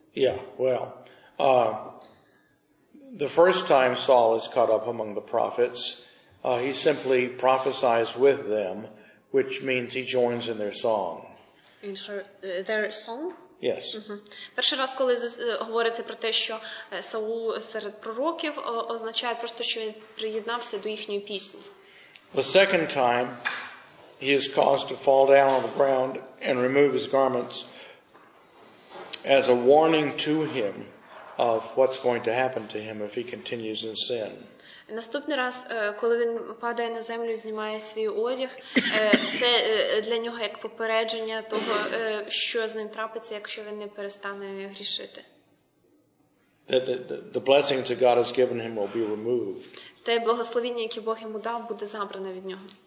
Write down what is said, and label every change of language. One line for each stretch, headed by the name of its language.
English: Yeah, well, the first time Saul is caught up among the prophets, he simply prophesies with them, which means he joins in their song. In their song? Yes.
Ukrainian: Перший раз, коли говориться про те, що Саул серед пророків, означає просто, що він приєднався до їхньої пісні.
English: The second time he is caused to fall down on the ground and remove his garments as a warning to him of what's going to happen to him if he continues in sin.
Ukrainian: Наступний раз, коли він падає на землю і знімає свій одяг, це для нього як попередження того, що з ним трапиться, якщо він не перестане грішити.
English: The blessing that God has given him will be removed.
Ukrainian: Те благословення, яке Бог йому дав, буде забрано від нього.